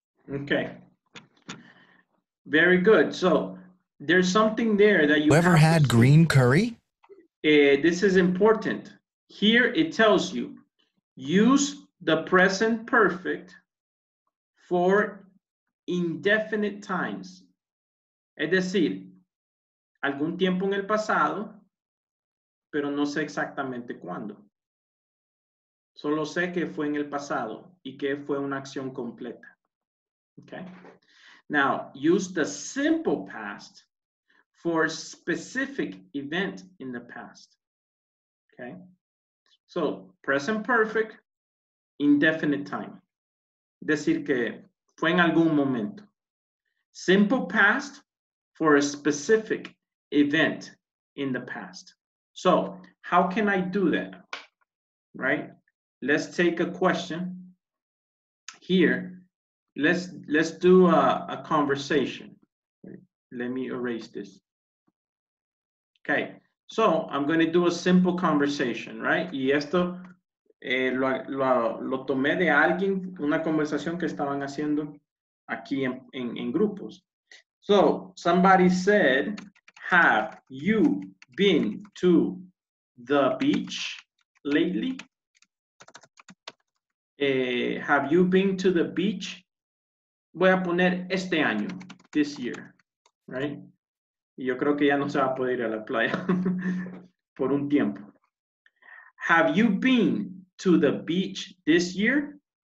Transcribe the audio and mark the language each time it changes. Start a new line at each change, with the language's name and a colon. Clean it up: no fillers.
English: Okay. Very good. So, there's something there that you ever had green curry? This is important. Here it tells you, use the present perfect for indefinite times.
Spanish: Es decir, algún tiempo en el pasado, pero no sé exactamente cuándo. Solo sé que fue en el pasado y que fue una acción completa.
English: Okay. Now, use the simple past for specific event in the past. Okay. So, present perfect, indefinite time.
Spanish: Decir que fue en algún momento.
English: Simple past for a specific event in the past. So, how can I do that? Right? Let's take a question here. Let's do a conversation. Let me erase this. Okay. So, I'm going to do a simple conversation, right?
Spanish: Y esto lo tomé de alguien, una conversación que estaban haciendo aquí en grupos.
English: So, somebody said, have you been to the beach lately? Have you been to the beach?
Spanish: Voy a poner este año,
English: this year, right?
Spanish: Yo creo que ya no se va a poder ir a la playa por un tiempo.
English: Have you been to the beach this year?